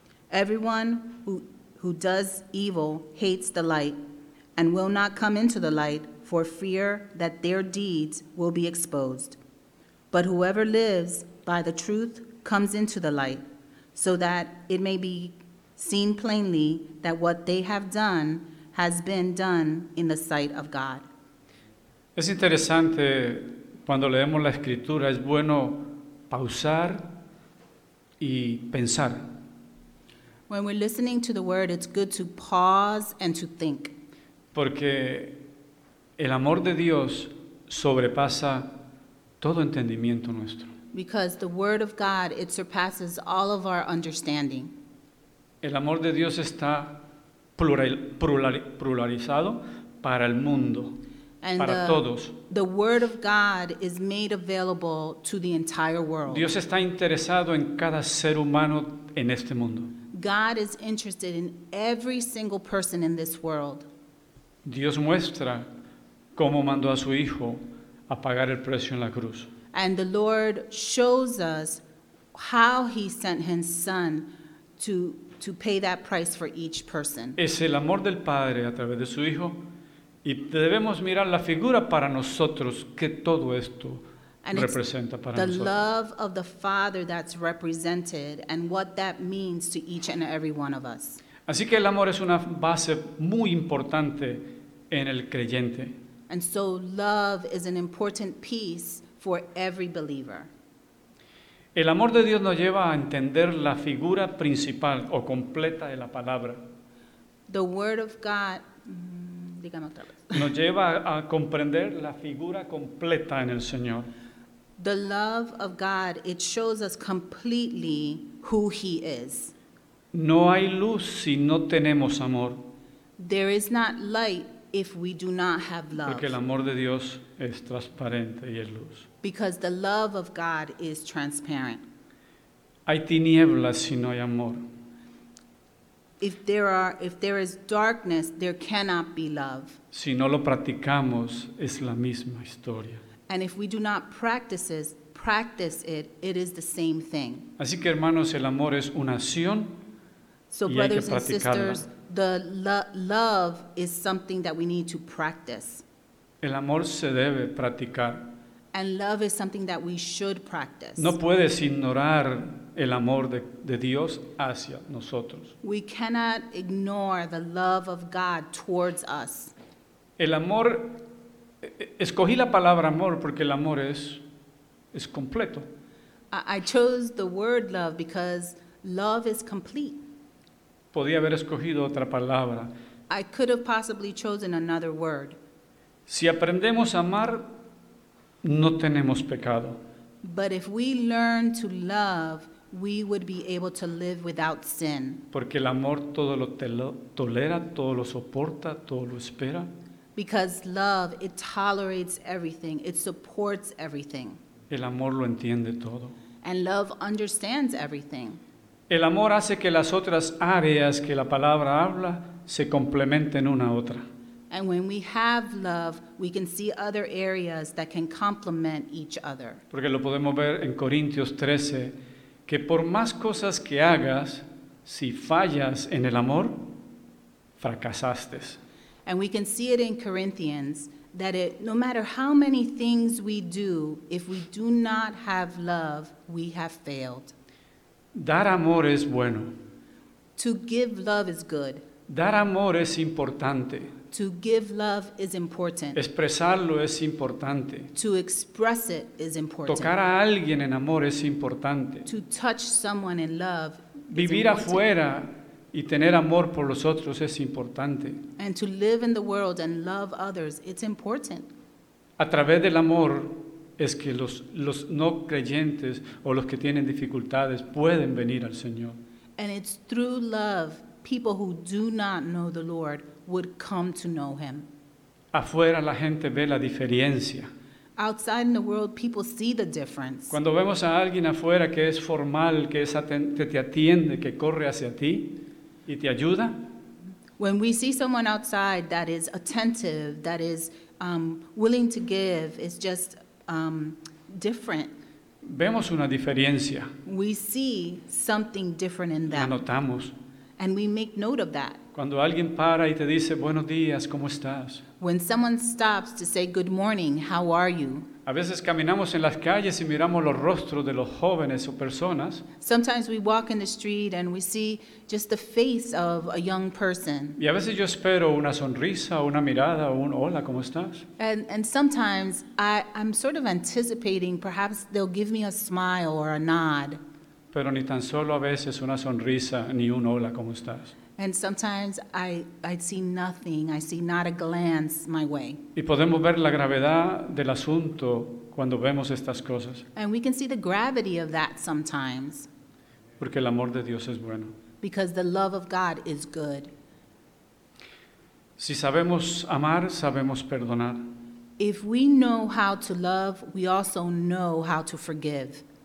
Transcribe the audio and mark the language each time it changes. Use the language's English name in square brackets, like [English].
[English] Everyone who does evil hates the light and will not come into the light for fear that their deeds will be exposed. But whoever lives by the truth comes into the light, so that it may be seen plainly that what they have done has been done in the sight of God. [Spanish] Es interesante, cuando leemos la escritura, es bueno pausar y pensar. [English] When we're listening to the word, it's good to pause and to think. [Spanish] Porque el amor de Dios sobrepasa todo entendimiento nuestro. [English] Because the word of God, it surpasses all of our understanding. [Spanish] El amor de Dios está pluralizado para el mundo. [English] And [Spanish] para todos. [English] The word of God is made available to the entire world. [Spanish] Dios está interesado en cada ser humano en este mundo. [English] God is interested in every single person in this world. [Spanish] Dios muestra cómo mandó a su hijo a pagar el precio en la cruz. [English] And the Lord shows us how he sent his son to pay that price for each person. [Spanish] Es el amor del Padre a través de su hijo. Y debemos mirar la figura para nosotros que todo esto representa para [English] the The love of the Father that's represented and what that means to each and every one of us. [Spanish] Así que el amor es una base muy importante en el creyente. [English] And so love is an important piece for every believer. [Spanish] El amor de Dios nos lleva a entender la figura principal o completa de la palabra. [English] The word of God [Spanish] nos lleva a comprender la figura completa en el Señor. [English] The love of God, it shows us completely who he is. [Spanish] No hay luz si no tenemos amor. [English] There is not light if we do not have love. [Spanish] Porque el amor de Dios es transparente y es luz. [English] Because the love of God is transparent. [Spanish] Hay tinieblas si no hay amor. [English] If there is darkness, there cannot be love. [Spanish] Si no lo practicamos, es la misma historia. [English] And if we do not practice it, it is the same thing. [Spanish] Así que, hermanos, el amor es una acción, [English] so [Spanish] y [English] brothers [Spanish] hay que practicarla. [English] And sisters, the love is something that we need to practice. [Spanish] El amor se debe practicar. [English] And love is something that we should practice. [Spanish] No puedes ignorar el amor de Dios hacia nosotros. [English] We cannot ignore the love of God towards us. [Spanish] El amor, escogí la palabra amor porque el amor es completo. [English] I chose the word love because love is complete. [Spanish] Podía haber escogido otra palabra. [English] I could have possibly chosen another word. [Spanish] Si aprendemos a amar, no tenemos pecado. [English] But if we learn to love, we would be able to live without sin. [Spanish] Porque el amor todo lo tolera, todo lo soporta, todo lo espera. [English] Because love, it tolerates everything, it supports everything. [Spanish] El amor lo entiende todo. [English] And love understands everything. [Spanish] El amor hace que las otras áreas que la palabra habla se complementen una a otra. [English] And when we have love, we can see other areas that can complement each other. [Spanish] Porque lo podemos ver en Corintios 13, que por más cosas que hagas, si fallas en el amor, fracasaste. [English] And we can see it in Corinthians that it, no matter how many things we do, if we do not have love, we have failed. [Spanish] Dar amor es bueno. [English] To give love is good. [Spanish] Dar amor es importante. [English] To give love is important. [Spanish] Expresarlo es importante. [English] To express it is important. [Spanish] Tocar a alguien en amor es importante. [English] To touch someone in love is important. [Spanish] Vivir afuera y tener amor por los otros es importante. [English] And to live in the world and love others, it's important. [Spanish] A través del amor es que los no creyentes o los que tienen dificultades pueden venir al Señor. [English] And it's through love people who do not know the Lord would come to know him. [Spanish] Afuera la gente ve la diferencia. [English] Outside in the world people see the difference. [Spanish] Cuando vemos a alguien afuera que es formal, que es te atiende, que corre hacia ti y te ayuda. [English] When we see someone outside that is attentive, that is willing to give, is just different. [Spanish] Vemos una diferencia. [English] We see something different in them. [Spanish] La notamos. [English] And we make note of that. [Spanish] Cuando alguien para y te dice buenos días, ¿cómo estás? [English] When someone stops to say good morning, how are you? [Spanish] A veces caminamos en las calles y miramos los rostros de los jóvenes o personas. [English] Sometimes we walk in the street and we see just the face of a young person. [Spanish] Y a veces yo espero una sonrisa o una mirada o un hola, ¿cómo estás? [English] And sometimes I'm sort of anticipating perhaps they'll give me a smile or a nod. [Spanish] Pero ni tan solo a veces una sonrisa ni un hola, ¿cómo estás? [English] And sometimes I see nothing. I see not a glance my way. [Spanish] Y podemos ver la gravedad del asunto cuando vemos estas cosas. [English] And we can see the gravity of that sometimes. [Spanish] Porque el amor de Dios es bueno. [English] Because the love of God is good. [Spanish] Si sabemos amar, sabemos perdonar. [English] If we know how to love, we also know how to forgive.